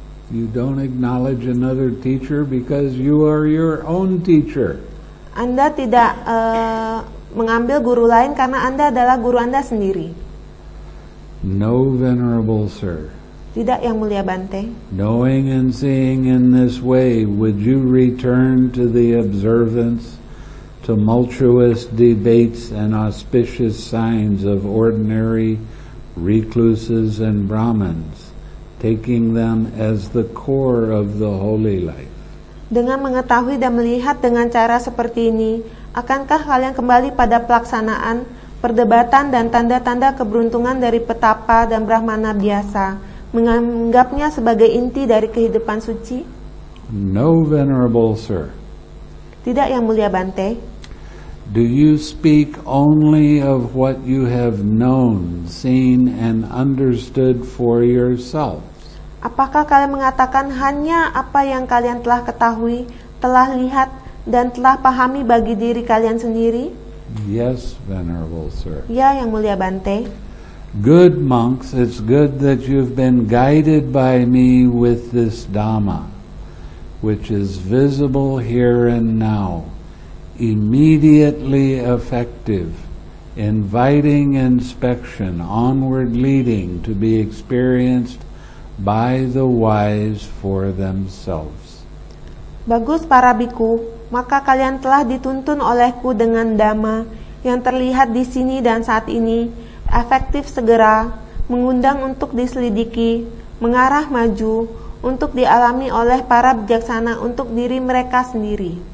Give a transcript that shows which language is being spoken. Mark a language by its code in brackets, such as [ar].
[en] You don't acknowledge another teacher because you are your own teacher. [id] Anda tidak mengambil guru lain karena Anda adalah guru Anda sendiri. [en] No, venerable sir. [id] Tidak, Yang Mulia Bante. [en] Knowing and seeing in this way, would you return to the observance, tumultuous debates and auspicious signs of ordinary recluses and Brahmins, taking them as the core of the holy life? [id] Dengan mengetahui dan melihat dengan cara seperti ini, akankah kalian kembali pada pelaksanaan perdebatan dan tanda-tanda keberuntungan dari petapa dan brahmana biasa, menganggapnya sebagai inti dari kehidupan suci? [en] No, venerable sir. [id] Tidak, Yang Mulia Bante. [en] Do you speak only of what you have known, seen, and understood for yourself? [id] Apakah kalian mengatakan hanya apa yang kalian telah ketahui, telah lihat, dan telah pahami bagi diri kalian sendiri? [en] Yes, venerable sir. [id] Ya, Yang Mulia Bante. [en] Good monks, it's good that you've been guided by me with this Dhamma, which is visible here and now, immediately effective, inviting inspection, onward leading to be experienced by the wise for themselves. [id] Bagus para bhikkhu, maka kalian telah dituntun olehku dengan Dhamma yang terlihat di sini dan saat ini, efektif segera, mengundang untuk diselidiki, mengarah maju, untuk dialami oleh para bijaksana untuk diri mereka sendiri.